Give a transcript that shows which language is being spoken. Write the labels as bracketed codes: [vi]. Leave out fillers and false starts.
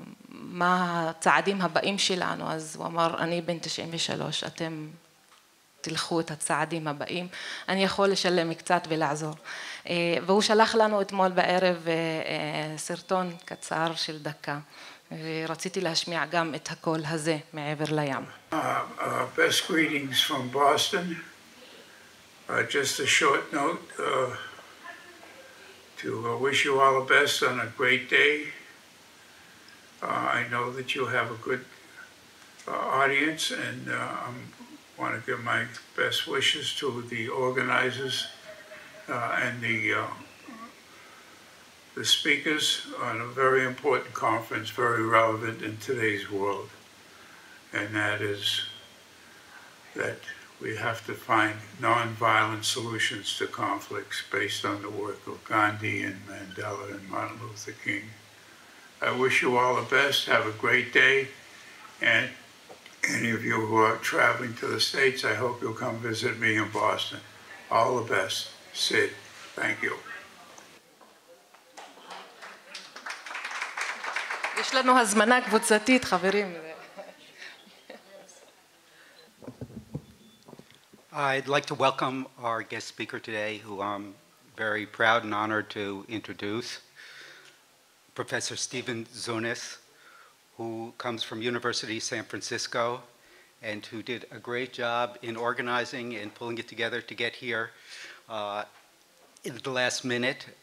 [he] מה הצעדים הבאים שלנו אז הוא אמר אני בן 93 אתם תלכו את הצעדים הבאים אני יכול לשלם קצת ולעזור והוא שלח לנו אתמול בערב סרטון קצר של דקה ורציתי להשמיע גם את הקול הזה מעבר לים [en] best greetings from Boston just a short note to wish you all the best on a great day. I know that you have a good audience and I want to give my best wishes to the organizers and the speakers on a very important conference, very relevant in today's world. And that is that we have to find non-violent solutions to conflicts based on the work of Gandhi and Mandela and Martin Luther King. I wish you all the best, have a great day, and any of you who are traveling to the States, I hope you'll come visit me in Boston. All the best, Sid, thank you. [he] יש לנו הזמנה קבוצתית, חברים. [en] I'd like to welcome our guest speaker today, who I'm very proud and honored to introduce, Professor Stephen Zuinis, who comes from University of San Francisco and who did a great job in organizing and pulling it together to get here in the last minute.